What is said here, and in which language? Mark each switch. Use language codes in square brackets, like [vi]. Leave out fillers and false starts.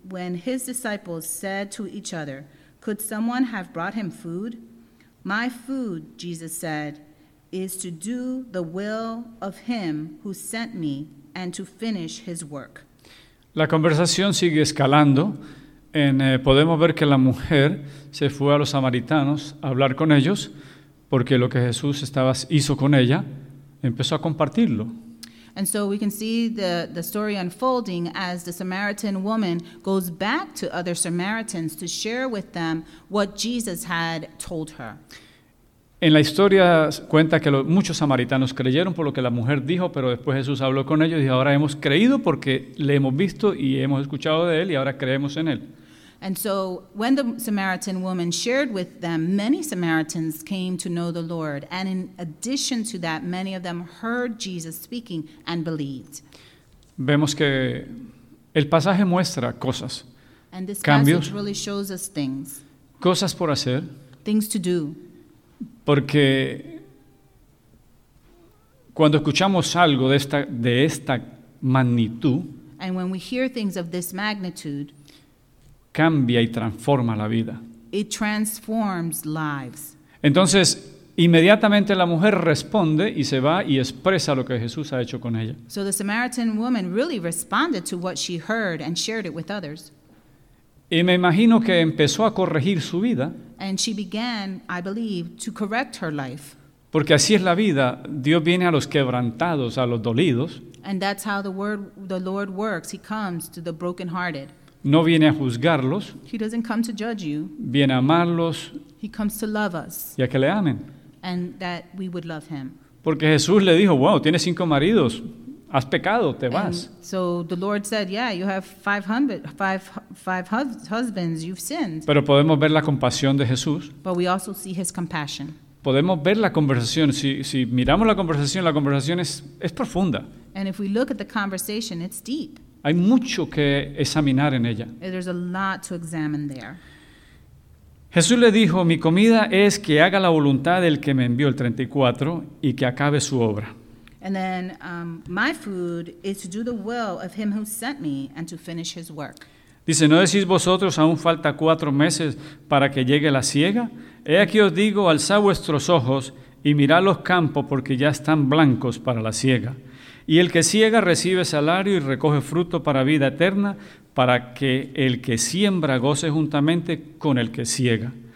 [en] When his disciples said to each other, could someone have brought him food? My food, Jesus said, is to do the will of him who sent me and to finish his work. [es] La conversación sigue escalando. Podemos ver que la mujer se fue a los samaritanos a hablar con ellos porque lo que Jesús hizo con ella, empezó a compartirlo. [en] And so we can see the story unfolding as the Samaritan woman goes back to other Samaritans to share with them what Jesus had told her. [es] En la historia cuenta que muchos samaritanos creyeron por lo que la mujer dijo, pero después Jesús habló con ellos y dijo, ahora hemos creído porque le hemos visto y hemos escuchado de él y ahora creemos en él. [en] And so when the Samaritan woman shared with them, many Samaritans came to know the Lord. And in addition to that, many of them heard Jesus speaking and believed. [es] Vemos que el pasaje muestra cosas. [en] And this [es] cambios, [en] passage really shows us things. [es] Cosas por hacer. [en] Things to do. [es] Porque cuando escuchamos algo de esta magnitud. [en] And when we hear things of this magnitude. [es] Cambia y transforma la vida. [en] It transforms lives. [es] Entonces, inmediatamente la mujer responde y se va y expresa lo que Jesús ha hecho con ella. [en] So the Samaritan woman really responded to what she heard and shared it with others. [es] Y me imagino que empezó a corregir su vida. [en] And she began, I believe, to correct her life. [es] Porque así es la vida. Dios viene a los quebrantados, a los dolidos. [en] And that's how the Lord works. He comes to the brokenhearted. [es] No viene a juzgarlos. [en] He doesn't come to judge you. [es] Viene a amarlos. [en] He comes to love us. [es] Y a que le amen. [en] And that we would love him. [es] Porque Jesús le dijo, wow, tienes 5 maridos. Has pecado, te vas. [en] And so the Lord said, yeah, you have 500 husbands, you've sinned. [es] Pero podemos ver la compasión de Jesús. [en] But we also see his compassion. [es] Podemos ver la conversación. Si miramos la conversación es profunda. [en] And if we look at the conversation, it's deep. [es] Hay mucho que examinar en ella. [en] There's a lot to examine there. [es] Jesús le dijo, mi comida es que haga la voluntad del que me envió el 34 y que acabe su obra. [en] And then my food is to do the will of him who sent me and to finish his work. [es] Dice, ¿no decís vosotros aún falta 4 meses para que llegue la siega? He aquí os digo, alzad vuestros ojos y mirad los campos porque ya están blancos para la siega. Y el que siega recibe salario y recoge fruto para vida eterna, para que el que siembra goce juntamente con el que siega.